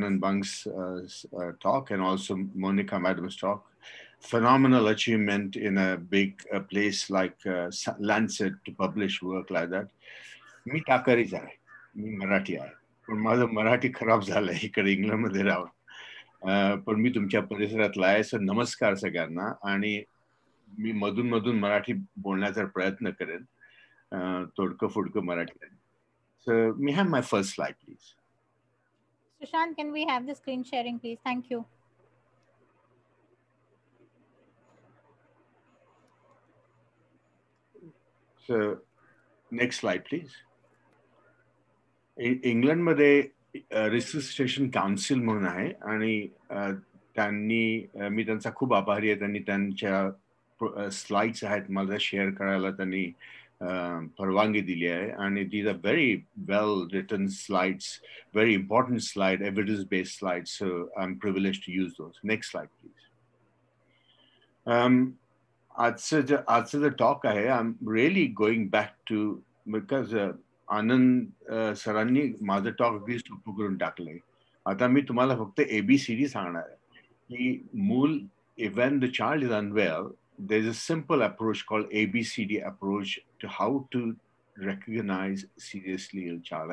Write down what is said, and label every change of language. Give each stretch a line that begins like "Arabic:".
English: Anand Bang's talk and also Monica Madhav's talk. Phenomenal achievement in a big place like Lancet to publish work like that.
Marathi: मी ताकरीच आहे, मी मराठी आहे, पण माझं मराठी खराब झालंय इकडे इंग्लंडमध्ये राहून. पण मी तुमच्या परिसरातला आहे, सर नमस्कार सगळ्यांना. आणि मी मधून मधून मराठी बोलण्याचा प्रयत्न करेन, तोडकं फुडकं Marathi.
English: So मी have my first slide please. Sushant, can we have the screen sharing please? Thank you. So, next slide, please. In England, there is a Resuscitation Council, and I am very happy to share my slides and share my slides. And these are very well-written slides, very important slides, evidence-based slides, so I'm privileged to use those. Next slide, please.
Marathi: आजचं जे talk आहे,
English: I am really going back to,
Marathi: because आनंद सरांनी माझं talk अगदी सोपं करून टाकलंय. आता मी तुम्हाला फक्त ए बी सी डी सांगणार आहे की मूल
English: Even the child is unwell, there is a simple approach call A B C D approach to how to recognise seriously ill child.